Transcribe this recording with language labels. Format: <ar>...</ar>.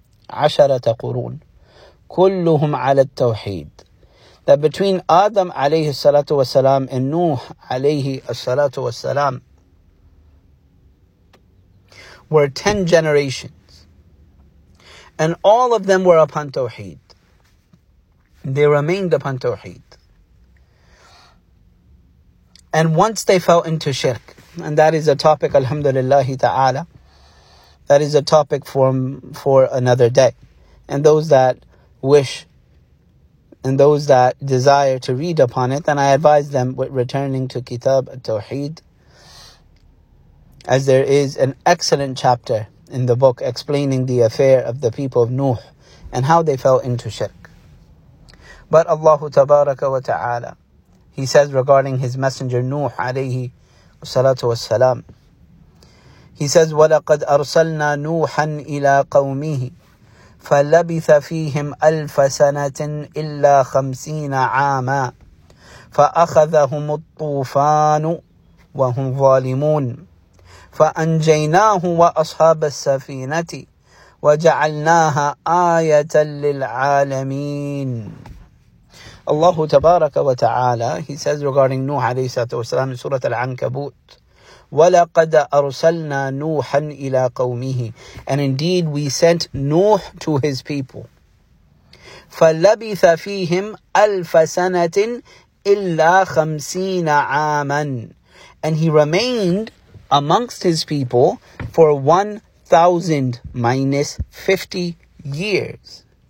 <ar>عشرة قرون كلهم على التوحيد.</ar> <en>That between Adam</en> <ar>عليه الصلاة والسلام</ar> <en>and Nuh عليه الصلاة والسلام were 10 generations. And all of them were upon Tawheed. They remained upon Tawheed. And once they fell into Shirk, and that is a topic, alhamdulillah ta'ala, that is a topic for another day. And those that wish and those that desire to read upon it, then I advise them with returning to Kitab al-Tawheed, as there is an excellent chapter in the book explaining the affair of the people of Nuh and how they fell into shirk. But Allahu Tabaraka wa Ta'ala, he says regarding his messenger Nuh alayhi salatu wa salam,</en> <ar>he says, وَلَقَدْ أَرْسَلْنَا نُوحًا إِلَىٰ قَوْمِهِ فَلَبِثَ فِيهِمْ أَلْفَ سَنَةٍ إِلَّا خَمْسِينَ عَامًا فَأَخَذَهُمُ الطُّوفَانُ وَهُمْ ظَالِمُونَ فَأَنْجَيْنَاهُ وَأَصْحَابَ السَّفِينَةِ وَجَعَلْنَاهَا آيَةً لِلْعَالَمِينَ. الله تبارك وتعالى,</ar> <en>he says regarding Nuh عليه السلام in Surah Al-Ankabut,</en> <ar>وَلَقَدْ أَرْسَلْنَا نُوحًا إِلَىٰ قَوْمِهِ,</ar> <en>and indeed we sent Nuh to his people.</en> <ar>فَلَبِثَ فِيهِمْ أَلْفَ سَنَةٍ إِلَّا خَمْسِينَ عَامًا,</ar> <en>and he remained amongst his people for 1,000 minus 50 years.</en>